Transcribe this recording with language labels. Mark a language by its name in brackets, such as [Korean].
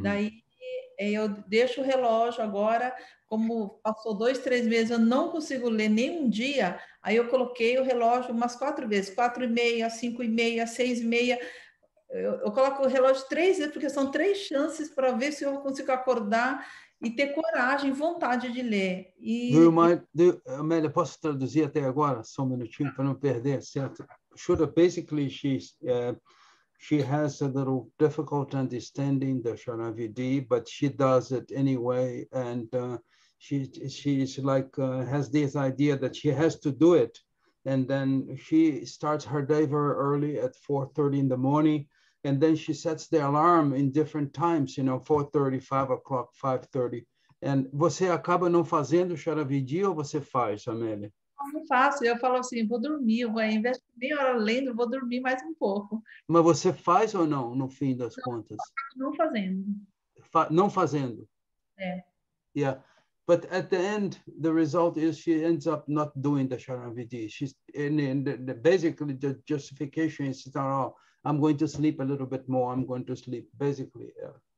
[Portuguese] Daí, eu deixo o relógio agora, como passou 2-3 meses, eu não consigo ler nem um dia, aí eu coloquei o relógio umas 4 vezes, 4h30, 5h30, 6h30, eu coloco o relógio 3 vezes, porque são 3 chances para ver se eu consigo acordar e ter coragem, vontade de ler. E... Amélia, posso traduzir até agora? Só um minutinho para não perder, certo? [English] Shuddha, basically, she's She has a little difficult understanding the Sharanavidhi, but she does it anyway. And she's like, has this idea that she has to do it. And then she starts her day very early at 4:30 in the morning. And then she sets the alarm in different times, you know, 4:30, 5 o'clock, 5:30. And [Portuguese] você acaba não fazendo Sharanavidhi ou você faz, Amélia? Não faço, eu falo assim, vou dormir, vou investir meia hora lendo, vou dormir mais um pouco. Mas você faz ou não, no fim das contas? Não fazendo. Não fazendo? É. [English] Yeah, but at the end, the result is she ends up not doing the Sharanavidhi. She's in the, basically, the justification is, oh, I'm going to sleep a little bit more, I'm going to sleep, basically, yeah.